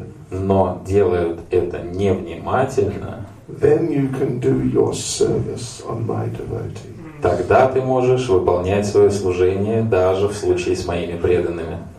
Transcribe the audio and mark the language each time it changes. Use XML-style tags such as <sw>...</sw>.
<ru>но делают это невнимательно,</ru> <en>then you can do your service on my devotees.</en> <ru>Тогда ты можешь выполнять свое служение даже в случае с моими преданными.</ru>